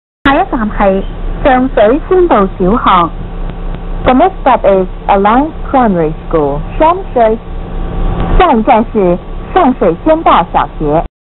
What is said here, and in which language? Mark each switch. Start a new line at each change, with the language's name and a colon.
Chinese: 下一站是上水宣道小学。
English: The next stop is Alliance Primary School, 上水。
Chinese: 下一站是上水仙道小学。